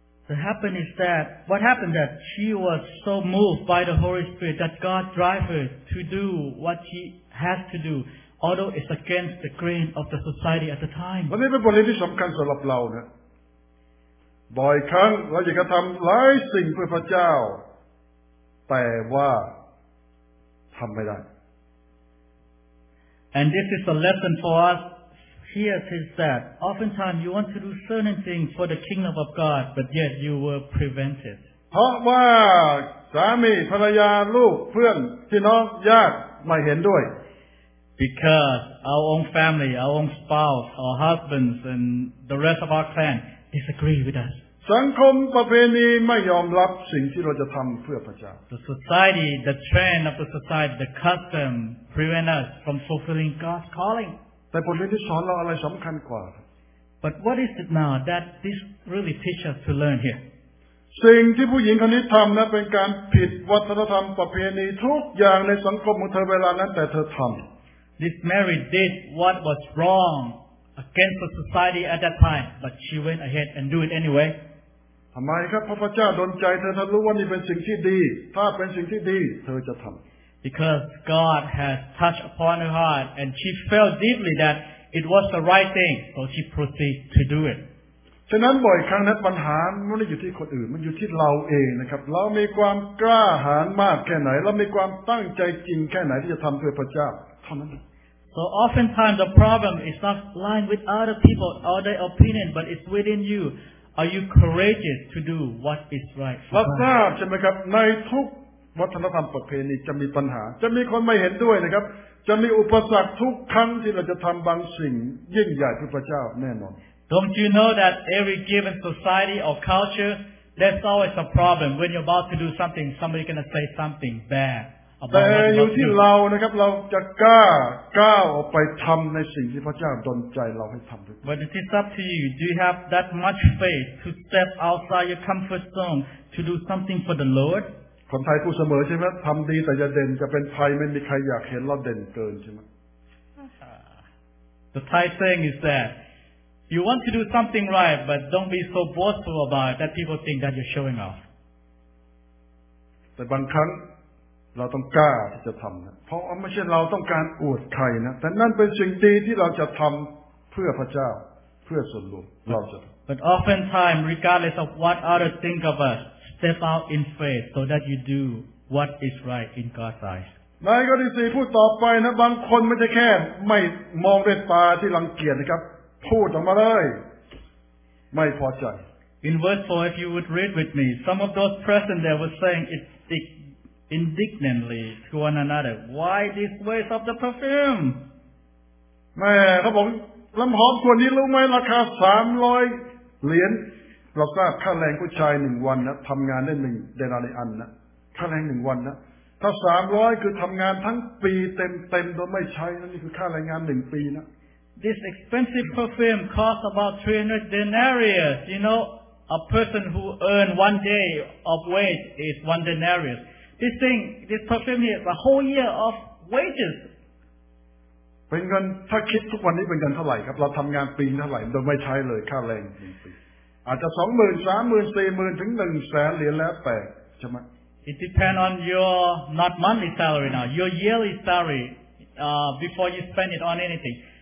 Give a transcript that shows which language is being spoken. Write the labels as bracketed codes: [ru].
[en] The happen is that what happened that she was so moved by the Holy Spirit that God drive her to do what she has to do, although it's against the grain of the society at the time. [th] วันนี้เป็นบทเรียนที่สำคัญสำหรับเรานะบ่อยครั้งเราอยากจะทำหลายสิ่งเพื่อพระเจ้าแต่ว่าทำไม่ได้ [en] And this is a lesson for us here is that oftentimes you want to do certain things for the kingdom of God but yet you were prevented [th] เพราะว่าสามีภรรยาลูกเพื่อนพี่น้องญาติไม่เห็นด้วย [en] Because our own family our own spouse our husbands and the rest of our clanDisagree with us. [th] สังคมประเพณีไม่ยอมรับสิ่งที่เราจะทำเพื่อพระเจ้า [en] The society, the trend of the society, the custom prevent us from fulfilling God's calling. [th] แต่บทเรียนที่สอนเราอะไรสำคัญกว่า [en] But what is it now that this really teaches us to learn here? [th] สิ่งที่ผู้หญิงคนนี้ทำนะเป็นการผิดวัฒนธรรมประเพณีทุกอย่างในสังคมของเธอเวลานั้นแต่เธอทำ [en] This Mary did what was wrongAgainst the society at that time, but she went ahead and do it anyway. [th] ทำไมครับพระเจ้าดลใจเธอถ้ารู้ว่านี่เป็นสิ่งที่ดีถ้าเป็นสิ่งที่ดีเธอจะทำ [en] Because God has touched upon her heart, and she felt deeply that it was the right thing, so she proceeded to do it. [th] ฉะนั้นบ่อยครั้งนั้นปัญหาไม่ได้อยู่ที่คนอื่นมันอยู่ที่เราเองนะครับเรามีความกล้าหาญมากแค่ไหนเรามีความตั้งใจจริงแค่ไหนที่จะทำเพื่อพระเจ้าเท่านั้น [en] So oftentimes the problem is not lying with other people or their opinion, but it's within you. Are you courageous to do what is right? [th] รับทราบใช่ไหมครับในทุกวัฒนธรรมประเพณีจะมีปัญหาจะมีคนไม่เห็นด้วยนะครับจะมีอุปสรรคทุกครั้งที่เราจะทำบางสิ่งยิ่งใหญ่เพื่อพระเจ้าแน่นอน [en] Don't you know that every given society or culture, there's always a problem when you're about to do something, somebody's gonna say something bad. [th] แต่อยู่ที่เรานะครับเราจะกล้าก้าวออกไปทำในสิ่งที่พระเจ้าดลใจเราให้ทำด้วย [en] But it is up to you. Do you have that much faith to step outside your comfort zone to do something for the Lord? [th] คนไทยพูดเสมอใช่ไหมทำดีแต่จะเด่นจะเป็นไทยไม่มีใครอยากเห็นเราเด่นเกินใช่ไหม [en] The Thai saying is that you want to do something right, but don't be so boastful about it that people think that you're showing off. [th] แต่บางครั้งเราต้องกล้าที่จะทำนะเพราะไม่ใช่เราต้องการอวดใครนะแต่นั่นเป็นสิ่งดีที่เราจะทำเพื่อพระเจ้าเพื่อส่วนรวมเราจะ [en] But oftentimes, regardless of what others think of us, step out in faith so that you do what is right in God's eyes. [th] ในกรณีสี่พูดต่อไปนะบางคนไม่ใช่แค่ไม่มองด้วยตาที่รังเกียจนะครับพูดออกมาเลยไม่พอใจ [en] In verse 4, if you would read with me, some of those present there were saying it'sIndignantly to one another. Why this waste of the perfume? [th] แม่เขาบอกน้ำหอมตัวนี้รู้ไหมราคา300เหรียญเราทราบค่าแรงผู้ชาย1วันนะทำงานได้1เดนาริอันนะค่าแรง1วันนะถ้า300คือทำงานทั้งปีเต็มๆโดยไม่ใช้นั่นคือค่าแรงงาน1ปีนะ [en] this expensive perfume costs about 300 denarius. You know, a person who earns one day of wage is one denarius. This thing, this perfume here, the whole year of wages. It depends on your not monthly salary now, your yearly salary, before you spend it on anything.